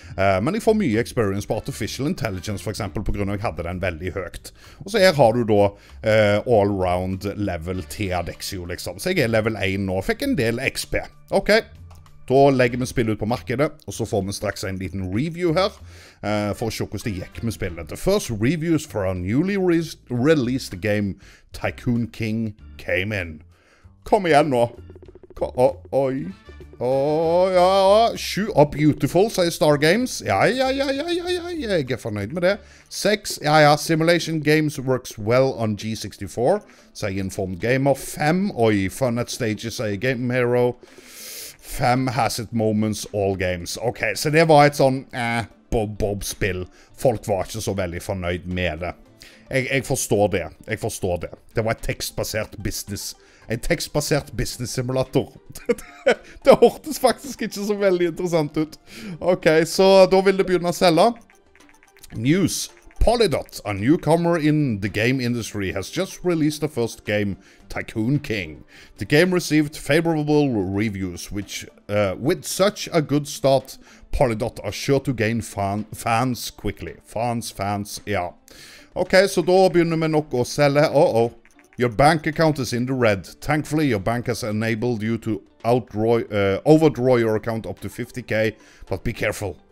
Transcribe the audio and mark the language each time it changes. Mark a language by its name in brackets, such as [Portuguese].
[Norwegian] Men jeg får mye experience på artificial intelligence, for eksempel, på grunn av jeg hadde den veldig høyt. Og så her har du da all-round level til Adexio, liksom. Så jeg er level 1 nå, fikk en del XP. Ok, da legger vi spillet ut på markedet, og så får vi straks en liten review her, for å se hvordan det gikk med spillet. [English] The first reviews for our newly released game, Tycoon King, came in. [Norwegian] Kom igjen nå! Ja, beautiful, sier Star Games. Ja, jeg er fornøyd med det. [English] 6, ja, simulation games works well on G64, sier Informed Gamer. 5, fun at stages, sier Game Hero. 5 has it moments, all games. [Norwegian] Ok, så det var et sånn bob-bob-spill. Folk var ikke så veldig fornøyd med det. Jeg forstår det. Det var et tekstbasert business. En tekstbasert business-simulator. Det hørtes faktisk ikke så veldig interessant ut. Ok, så da vil det begynne å selge. [English] News. Polydot, a newcomer in the game industry, has just released the first game, Tycoon King. The game received favorable reviews, which with such a good start, Polydot are sure to gain fans quickly. [Norwegian] Fans, ja. Okay, så da begynner vi nok å selge. [English] Oh. Your bank account is in the red. Thankfully, your bank has enabled you to overdraw your account up to 50k, but be careful.